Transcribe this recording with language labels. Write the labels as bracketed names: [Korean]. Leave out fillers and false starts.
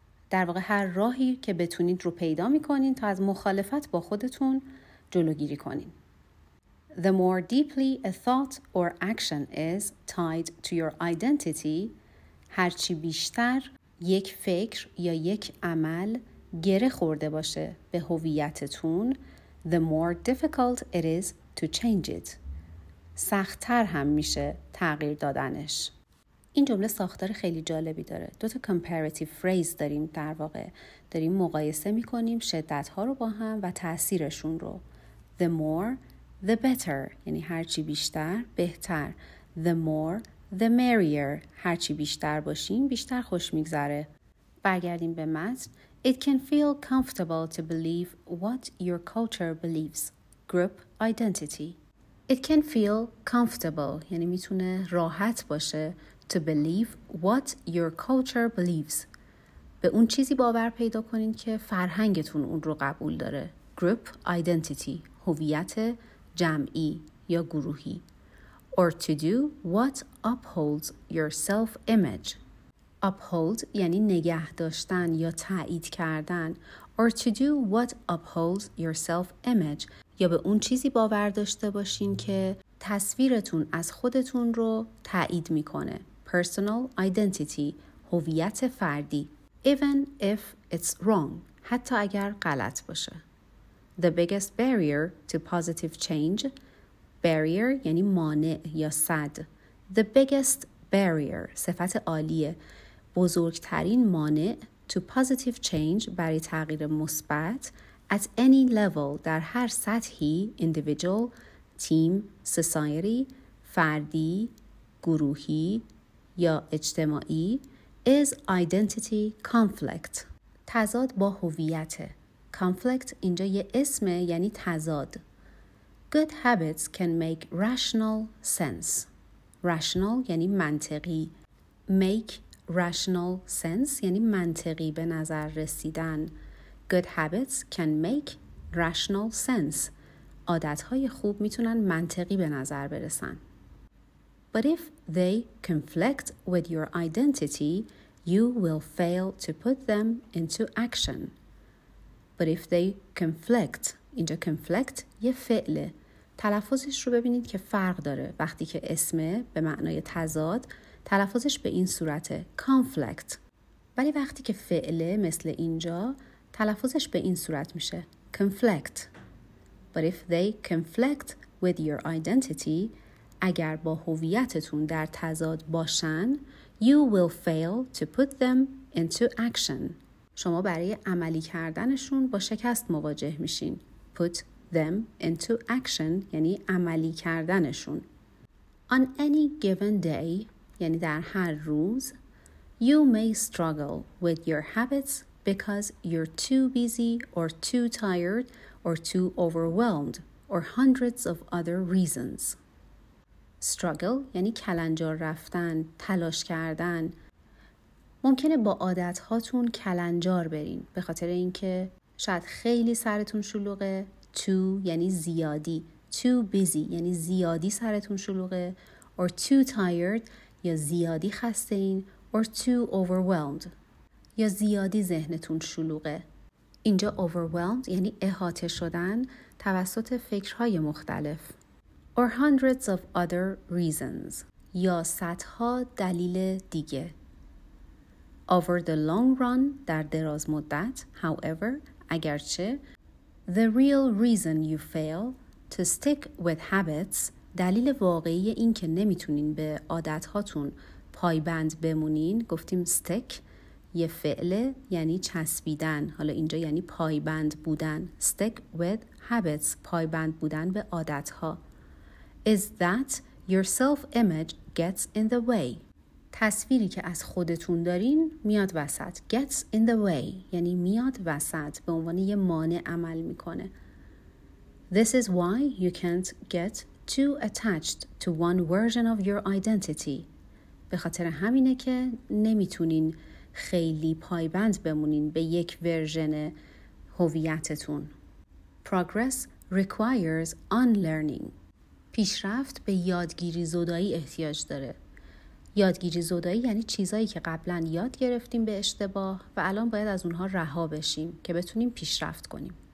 [Persian] در واقع هر راهی که بتونین رو پیدا میکنین تا از مخالفت با خودتون جلوگیری کنین. [English] The more deeply a thought or action is tied to your identity، [Persian] هرچی بیشتر یک فکر یا یک عمل گره خورده باشه به هویتتون، [English] the more difficult it is to change it، [Persian] سخت‌تر هم میشه تغییر دادنش. این جمله ساختار خیلی جالبی داره. دو تا comparative phrase داریم، در واقع داریم مقایسه میکنیم شدت‌ها رو با هم و تأثیرشون رو. [English] The more the better [Persian] یعنی هرچی بیشتر بهتر. [English] The more the merrier [Persian] هرچی بیشتر باشیم بیشتر خوش میگذره. برگردیم به متن. [English] It can feel comfortable to believe what your culture believes. Group identity. It can feel comfortable [Persian] یعنی میتونه راحت باشه [English] to believe what your culture believes. [Persian] به اون چیزی باور پیدا کنین که فرهنگتون اون رو قبول داره. [English] Group identity [Persian] هویت جمعی یا گروهی. [English] Or to do what upholds your self-image. [Persian] Uphold یعنی نگه داشتن یا تأیید کردن. [English] Or to do what upholds your self-image. [Persian] یا به اون چیزی باور داشته باشین که تصویرتون از خودتون رو تأیید میکنه. [English] Personal identity [Persian] هویت فردی. [English] Even if it's wrong [Persian] حتی اگر غلط باشه. [English] The biggest barrier to positive change. [Persian] Barrier یعنی مانع یا سد. [English] The biggest barrier [Persian] صفت عالیه. بزرگترین مانع [English] to positive change [Persian] برای تغییر مثبت. [English] At any level [Persian] در هر سطحی [English] individual, team, society, [Persian] فردی, گروهی یا اجتماعی [English] is identity conflict. [Persian] تضاد با هویته. Conflict اینجا یه اسمه یعنی تضاد. [English] Good habits can make rational sense. [Persian] Rational یعنی منطقی. [English] Make rational sense [Persian] یعنی منطقی به نظر رسیدن. [English] Good habits can make rational sense. [Persian] عادت‌های خوب میتونن منطقی به نظر برسن. [English] But if they conflict with your identity, you will fail to put them into action. But if they conflict, [Persian] اینجا conflict یه فعله. تلفظش رو ببینید که فرق داره. وقتی که اسم به معنای تضاد، تلفظش به این صورته conflict. ولی وقتی که فعله مثل اینجا، تلفظش به این صورت میشه conflict. [English] But if they conflict with your identity, [Persian] اگر با هویتتون در تضاد باشن, [English] you will fail to put them into action. [Persian] شما برای عملی کردنشون با شکست مواجه میشین. [English] Put them into action [Persian] یعنی عملی کردنشون. [English] On any given day, [Persian] یعنی در هر روز, [English] you may struggle with your habits because you're too busy or too tired or too overwhelmed or hundreds of other reasons. [Persian] Struggle یعنی کلنجار رفتن, تلاش کردن. ممکنه با عادتهاتون کلنجار برین به خاطر اینکه شاید خیلی سرتون شلوغه. Too یعنی زیادی. [English] Too busy [Persian] یعنی زیادی سرتون شلوغه. [English] Or too tired [Persian] یا زیادی خسته این. [English] Or too overwhelmed [Persian] یا زیادی ذهنتون شلوغه. اینجا overwhelmed یعنی احاطه شدن توسط فکرهای مختلف. [English] Or hundreds of other reasons [Persian] یا صدها دلیل دیگه. [English] Over the long run [Persian] در دراز مدت, [English] however, [Persian] اگرچه, [English] the real reason you fail to stick with habits, [Persian] دلیل واقعی این که نمیتونین به عادتهاتون پایبند بمونین, گفتیم stick یه فعله یعنی چسبیدن, حالا اینجا یعنی پایبند بودن. [English] Stick with habits, [Persian] پایبند بودن به عادتها. [English] Is that your self-image gets in the way. [Persian] تصویری که از خودتون دارین میاد وسط. [English] Gets in the way [Persian] یعنی میاد وسط, به عنوان یه مانع عمل میکنه. [English] This is why you can't get too attached to one version of your identity. [Persian] به خاطر همینه که نمیتونین خیلی پایبند بمونین به یک ورژن هویتتون. [English] Progress requires unlearning. [Persian] پیشرفت به یادگیری زدایی احتیاج داره. یادگیری زدایی یعنی چیزایی که قبلا یاد گرفتیم به اشتباه و الان باید از اونها رها بشیم که بتونیم پیشرفت کنیم.